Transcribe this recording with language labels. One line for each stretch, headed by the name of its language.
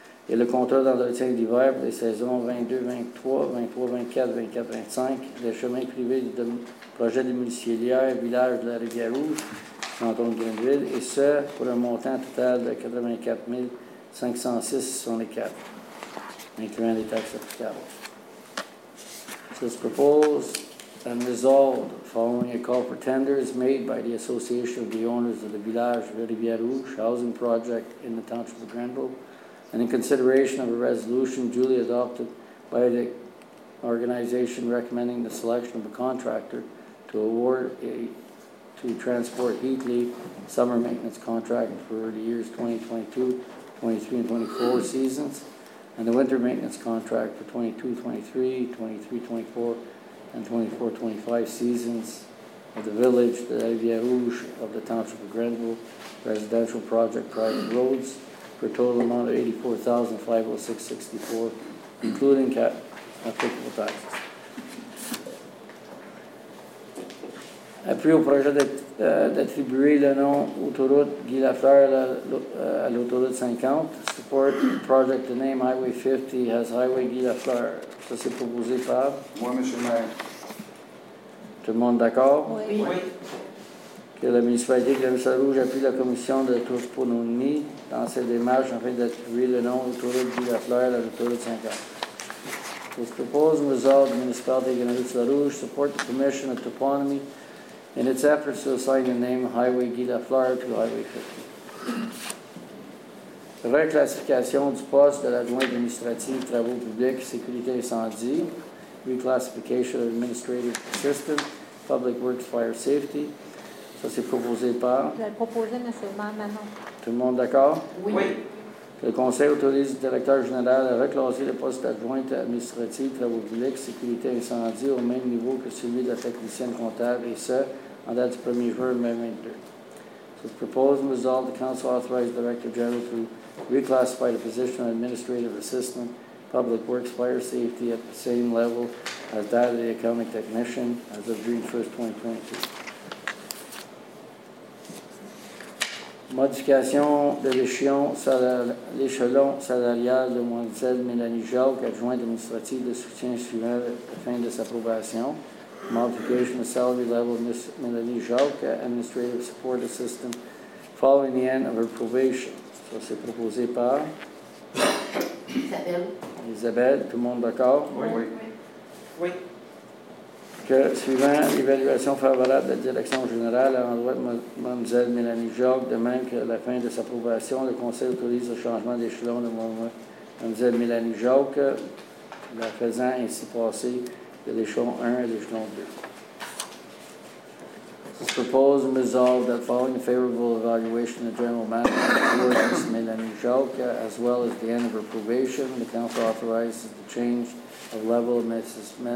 French: et le contrat d'entretien d'hiver pour les saisons 22, 23, 23, 24, 24, 25 des chemins privés du projet domiciliaire village de la Rivière-Rouge canton de Greenville, et ce, pour un montant total de 84 506 sur les quatre, incluant les taxes applicables.
English: This proposed and resolved following a call for tenders made by the Association of the Owners of the Village de Rivière-Rouge Housing Project in the Township of Greenville, and in consideration of a resolution duly adopted by the organization recommending the selection of a contractor to award a to transport Heatley summer maintenance contract for the years 2022, 23, and 24 seasons, and the winter maintenance contract for 22, 23, 23, 24, and 24, 25 seasons of the village, the Rivière-Rouge of the Township of Greenville, residential project, private roads, for a total amount of $84,506.64, including applicable taxes.
French: Appuie au projet d'attribuer le nom Autoroute Guy Lafleur à l'Autoroute 50.
English: Support project to name Highway 50 as Highway Guy Lafleur.
French: Ça, c'est proposé par? Moi, M. le maire. Tout le monde d'accord? Oui. Oui. Que la municipalité de Greenville-Rouge appuie la commission de toponymie dans ses démarches afin d'attribuer le nom Autoroute Guy Lafleur à l'Autoroute 50.
English: This proposed and resolved the municipality of Greenville-Rouge support the commission of toponymy in its efforts to assign the name Highway Guy Lafleur to Highway 50.
French: Reclassification du poste de l'adjoint administratif, travaux publics, sécurité incendie.
English: Reclassification of administrative assistant, public works, fire safety.
French: Ça, c'est proposé par? Je vais le proposer, M. Marmanon. Tout le monde d'accord? Oui. Que le conseil autorise le directeur général à reclasser le poste d'adjoint administratif, travaux publics, sécurité incendie au même niveau que celui de la technicienne comptable et ça, on date du 1er juin 2022.
English: So the proposed and resolved, the council authorized the director general to reclassify the position of administrative assistant, public works, fire safety at the same level as that of the accounting technician as of June 1st, 2022.
French: Modification de l'échelon salarial de Moiselle Mélanie Jacques, adjointe administrative de soutien suivant la fin de sa probation.
English: Modification of salary level of Ms. Melanie Jalka, administrative support assistant, following the end of her probation.
French: Ça, c'est proposé par? Isabelle. Isabelle, tout le monde d'accord? Oui. Oui. que suivant l'évaluation favorable de la direction générale à l'endroit de Mlle Mélanie Jacques, de même que la fin de sa approbation, le conseil autorise le changement d'échelon de Mlle Mélanie Jacques, la faisant ainsi passer de l'échelon 1 à l'échelon 2.
English: This proposal resolved that following a favorable evaluation of the general manager of Ms. Mélanie Jacques, as well as the end of her probation, the council authorizes the change of level of Mrs.